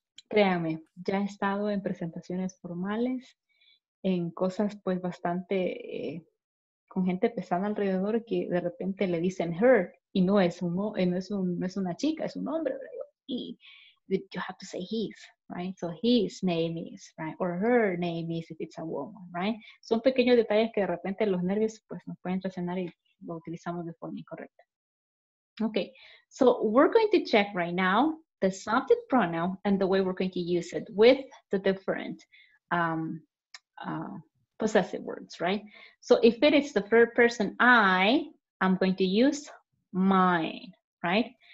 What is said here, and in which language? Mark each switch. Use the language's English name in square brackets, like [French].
[Spanish] Créame, ya he estado en presentaciones formales, en cosas pues bastante, con gente pesada alrededor que de repente le dicen her, y no es, no es una chica, es un hombre, y [English] you have to say his, [Spanish] right? [English] So his name is, right? Or her name is if it's a woman, right? [Spanish] Son pequeños detalles que de repente los nervios pues nos pueden traicionar y lo utilizamos de forma incorrecta. [English] Okay, so we're going to check right now the subject pronoun and the way we're going to use it with the different possessive words, right? So if it is the third person, I'm going to use mine, right?